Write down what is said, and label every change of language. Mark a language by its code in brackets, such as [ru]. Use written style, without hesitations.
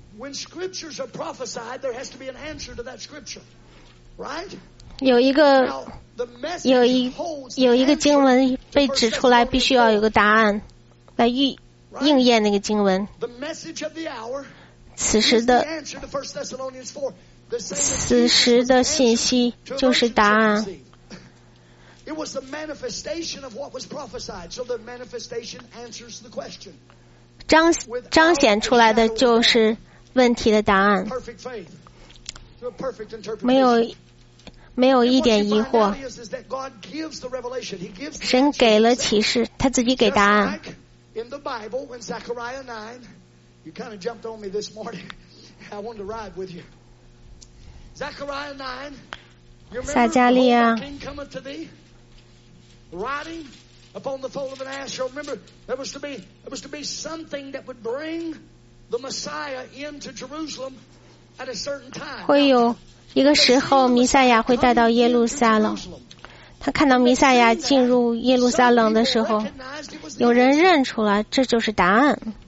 [en] When scriptures are prophesied, there has to be an answer to that scripture, right? [zh] 有一个经文被指出来，必须要有个答案来应验那个经文。 [en] The message of the hour, [zh] 此时的 [en] answer to 1 Thessalonians 4, [zh] 此时的信息就是答案。 [en] It was the manifestation of what was prophesied. So the manifestation answers the question. [zh] 彰显出来的就是问题的答案。 [en] Perfect faith. Perfect interpretation. [zh] 没有一点疑惑。神给了启示，他自己给答案。 [en] In the Bible, when Zechariah 9, you kind of jumped on me this morning. I wanted to ride with you. Zechariah 9, you remember the king coming to thee, riding upon the foal of an ass. You remember, there was to be something that would bring the Messiah into Jerusalem at a certain time. [zh] 会有一个时候弥赛亚会带到耶路撒冷。他看到弥赛亚进入耶路撒冷的时候，有人认出了这就是答案。